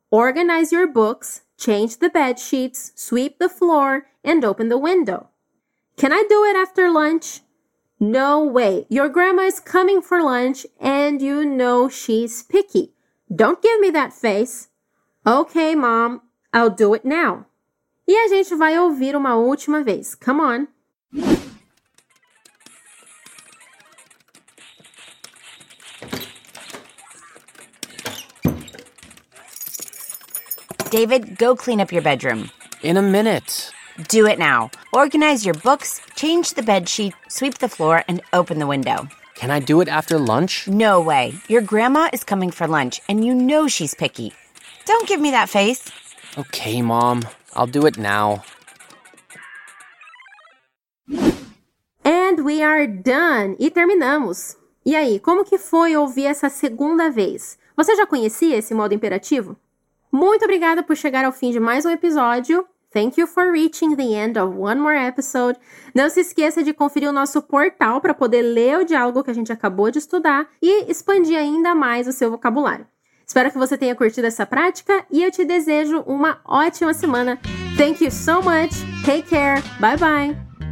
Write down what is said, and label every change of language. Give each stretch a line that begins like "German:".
English: Organize your books, change the bed sheets, sweep the floor, and open the window. Can I do it after lunch? No way. Your grandma is coming for lunch, and you know she's picky. Don't give me that face. Okay, mom, I'll do it now.
Portuguese: E a gente vai ouvir uma última vez.
English: Come on. David, go clean up your bedroom. In a minute. Do it now. Organize your books, change the bed sheet, sweep the floor, and open the window. Can I do it after lunch? No way. Your grandma is coming for lunch, and you know she's picky. Don't give me that face. Okay, Mom. I'll do it now. And we are done.
Portuguese: E terminamos. E aí, como que foi ouvir essa segunda vez? Você já conhecia esse modo imperativo? Muito obrigada por chegar ao fim de mais um episódio.
English: Thank you for reaching the end of one more episode.
Portuguese: Não se esqueça de conferir o nosso portal para poder ler o diálogo que a gente acabou de estudar e expandir ainda mais o seu vocabulário. Espero que você tenha curtido essa prática e eu te desejo uma ótima semana.
English: Thank you so much. Take care. Bye bye.